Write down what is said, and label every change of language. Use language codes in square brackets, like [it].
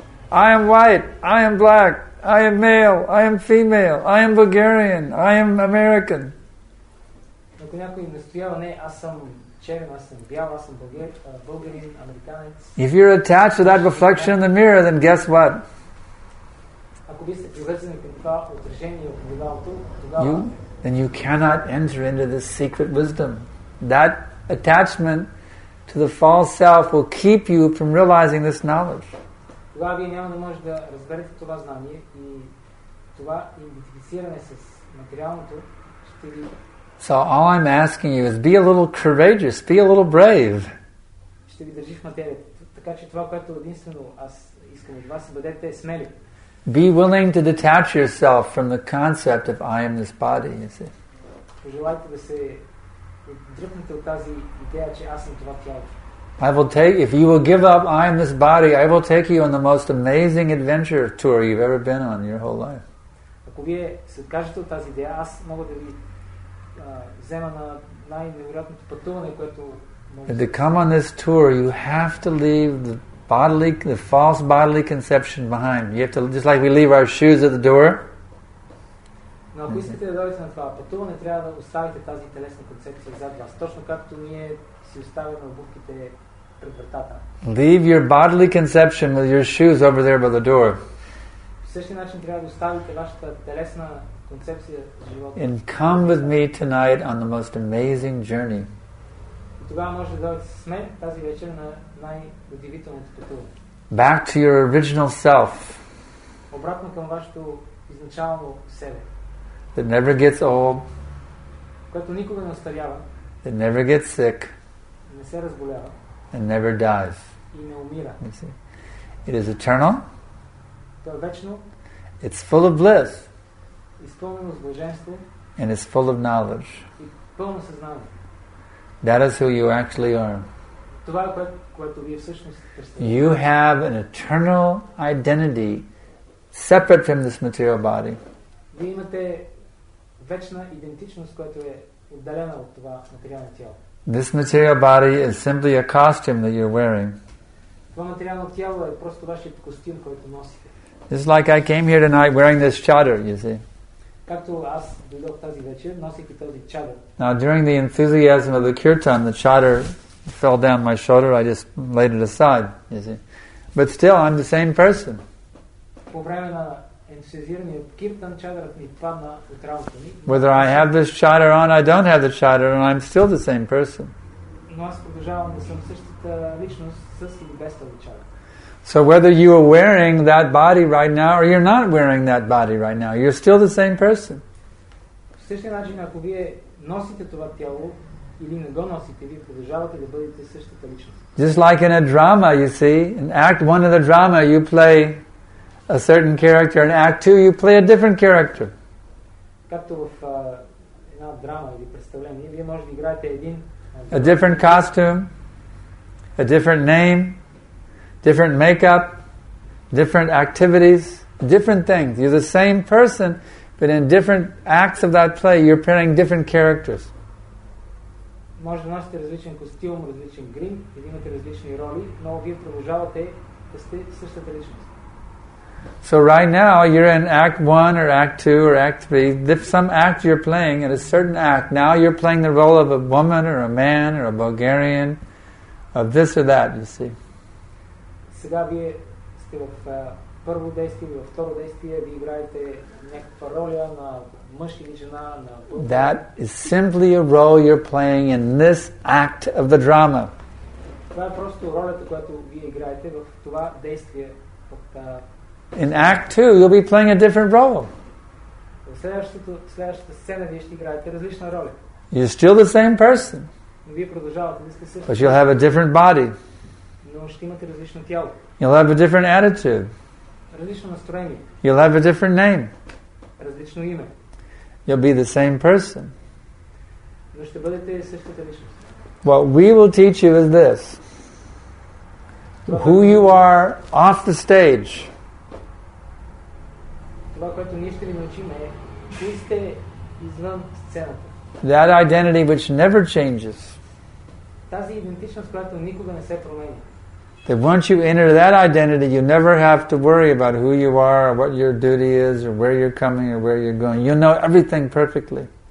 [en] I am white, I am black, I am male, I am female, I am Bulgarian, I am American. [bg] Ако някой настоява, не, аз съм черен, аз съм бял, аз съм българин, американец. [en] If you're attached to that reflection in the mirror, then guess what? [bg] Ако ви сте привързани към това отражение в огледалото, [en] then you cannot enter into this secret wisdom. That attachment to the false self will keep you from realizing this knowledge. [bg] Тогава вие няма да можете да разберете това знание и това идентифициране с материалното ще ви... [en] So all I'm asking you is be a little courageous, be a little brave. [bg] Ще ви държи в материята, така че това, което единствено аз искам от вас, бъдете смели. [en] Be willing to detach yourself from the concept of I am this body, you see. [bg] Пожелайте да се отдръпнете от тази идея, че аз съм това тяло. [en] I will take, if you will give up I am this body, I will take you on the most amazing adventure tour you've ever been on your whole life. [bg] Ако вие се откажете от тази идея, аз мога да ви взема на най-невероятното пътуване, което може. [en] To come on this tour, you have to leave the false bodily conception behind. You have to, just like we leave our shoes at the door. [bg] Но ако искате да дойдете на това пътуване, трябва да оставите тази телесна концепция зад вас, точно както ние си оставяме обувките пред вратата. [en] Leave your bodily conception with your shoes over there by the door. [bg] По същия начин трябва да оставите вашата телесна концепция за живота. [en] And come with me tonight on the most amazing journey. [bg] И тогава може да дойдете с мен тази вечер на най-удивителното пътуване. [en] Back to your original self. [bg] Обратно към вашето изначално себе. [en] That never gets old. [bg] Което никога не остарява. [en] That never gets sick. [bg] Не се разболява. [en] And never dies. [bg] И не умира. [en] You see? It is eternal. [bg] То е вечно. [en] It's full of bliss. [bg] Изпълнено с блаженство. [en] And it's full of knowledge. [bg] И пълно съзнание. [en] That is who you actually are. [bg] Това е което вие всъщност представляте. [en] You have an eternal identity separate from this material body. [bg] Вие имате вечна идентичност, която е отделена от това материално тяло. [en] This material body is simply a costume that you're wearing. [bg] Това материално тяло е просто вашият костюм, който носите. [en] It's like I came here tonight wearing this chadar, you see. [bg] Както аз дойдох тази вечер, носейки този чадър. [en] Now during the enthusiasm of the kirtan, the chadar fell down my shoulder, I just laid it aside, you see. But still, I'm the same person. [bg] По време на ентусиазирания киртан, чадърът ми падна от работа ми. [en] Whether I have this chadar on, I don't have the chadar, and I'm still the same person. [bg] Но аз продължавам да съм същата личност, със или без този чадър. [en] So whether you are wearing that body right now or you're not wearing that body right now, you're still the same person. [bg] По същия начин, ако вие носите това тяло или не го носите, вие продължавате да бъдете същата личност. [en] Just like in a drama, you see, in act one of the drama, you play a certain character, in act two, you play a different character. [bg] Както в една драма или представление, вие може да играете един... [en] A different costume, a different name, different makeup, different activities, different things. You're the same person, but in different acts of that play, you're playing different characters. [bg] Може да носите различен костюм, различен грим, или имате различни роли, но вие продължавате да сте същата личност. [en] So right now, you're in act one, or act two, or act three. If some act you're playing, in a certain act, now you're playing the role of a woman, or a man, or a Bulgarian, of this or that, you see. [bg] Сега вие сте в първо действие, във второ действие, вие играете някаква роля на мъж или жена, на... [en] That is simply a role you're playing in this act of the drama. [bg] Това е просто ролята, която вие играете в това действие. [en] In act two, you'll be playing a different role. [bg] В следващата сцена вие ще играете различна роля. [en] You're still the same person. [bg] Но вие продължавате да сте същите. [en] But you'll have a different body. You'll have a different attitude. [bg] Различно настроение. [en] You'll have a different name. [bg] Различно име. [en] You'll be the same person. [bg] Но ще бъдете същата личност. [en] What we will teach you is this. Who you are off the stage. [bg] Това, което ние ще ви научим е, кои сте извън сцената. [en] That identity which never changes. [bg] Тази идентичност, която никога не се променя. [en] That once you enter that identity, you never have to worry about who you are or what your duty is or where you're coming or where you're going. You know everything perfectly.